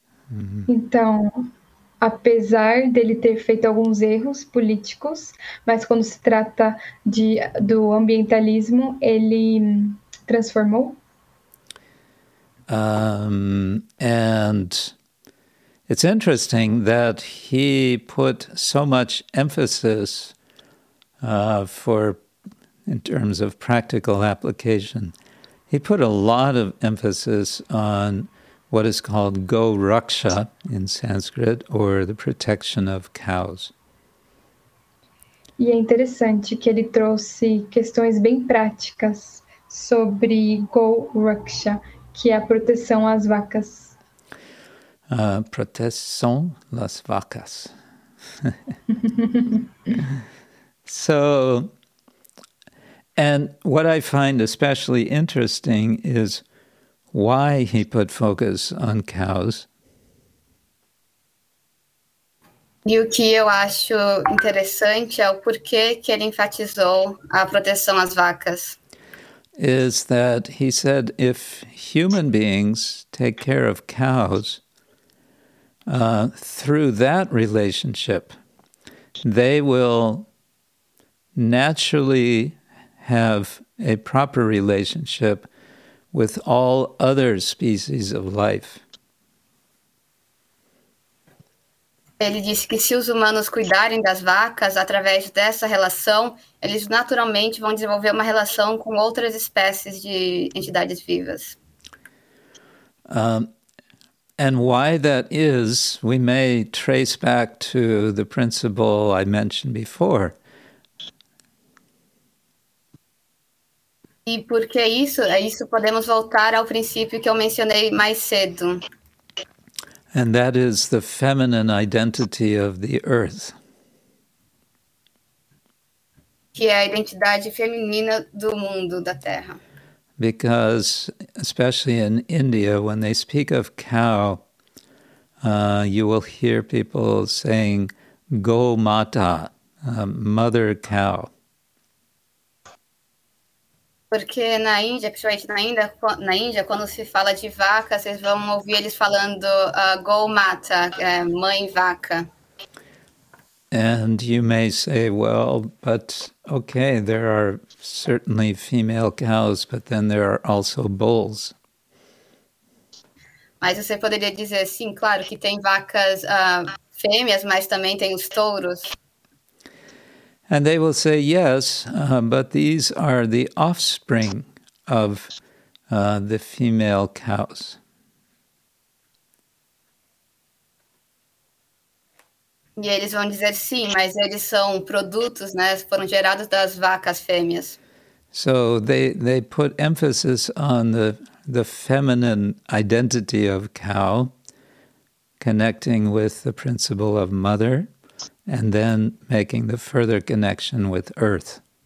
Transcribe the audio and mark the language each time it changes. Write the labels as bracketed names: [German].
[Portuguese] Mm-hmm. Então, apesar dele ter feito alguns erros políticos, mas quando se trata de do ambientalismo, ele transformou. [English] And it's interesting that he put so much emphasis for, in terms of practical application, he put a lot of emphasis on what is called go-raksha in Sanskrit, or the protection of cows. [Portuguese] E é interessante que ele trouxe questões bem práticas sobre go-raksha, que é a proteção às vacas. Proteção das vacas. [English] So, and what I find especially interesting is why he put focus on cows. [Portuguese] E o que eu acho interessante é o porquê que ele enfatizou a proteção às vacas. [English] Is that he said if human beings take care of cows, through that relationship, they will naturally have a proper relationship with all other species of life. [Portuguese] Ele disse que se os humanos cuidarem das vacas através dessa relação, eles naturalmente vão desenvolver uma relação com outras espécies de entidades vivas. [English] And why that is, we may trace back to the principle I mentioned before. [Portuguese] E por que isso? Isso podemos voltar ao princípio que eu mencionei mais cedo. [English] And that is the feminine identity of the earth. [Portuguese] Que é a identidade feminina do mundo, da terra. [English] Because, especially in India, when they speak of cow, you will hear people saying, Go Mata, mother cow. [Portuguese] Porque na Índia, principalmente na Índia, quando se fala de vaca, vocês vão ouvir eles falando Go Mata, mãe vaca. [English] And you may say, well, but okay, there are certainly female cows, but then there are also bulls. [Portuguese] Mas você poderia dizer, sim, claro que tem vacas fêmeas, mas também tem os touros. [English] And they will say, yes, but these are the offspring of the female cows. [Portuguese] E eles vão dizer, sim, mas eles são produtos, né, foram gerados das vacas fêmeas. [English] So they put emphasis on the feminine identity of cow, connecting with the principle of mother, and then making the further connection with earth.